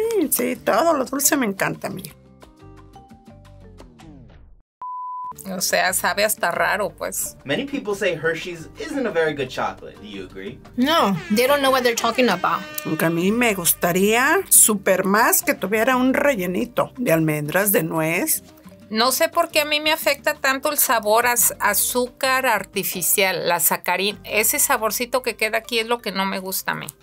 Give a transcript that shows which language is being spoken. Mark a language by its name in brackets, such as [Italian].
[Spanish] Sí, todo lo dulce me encanta a mí. O sea, sabe hasta raro, pues. [English] Many people say Hershey's isn't a very good chocolate. Do you agree? No, they don't know what they're talking about. [Spanish] Aunque a mí me gustaría super más que tuviera un rellenito de almendras, de nuez. No sé por qué a mí me afecta tanto el sabor a azúcar artificial, la sacarina. Ese saborcito que queda aquí es lo que no me gusta a mí.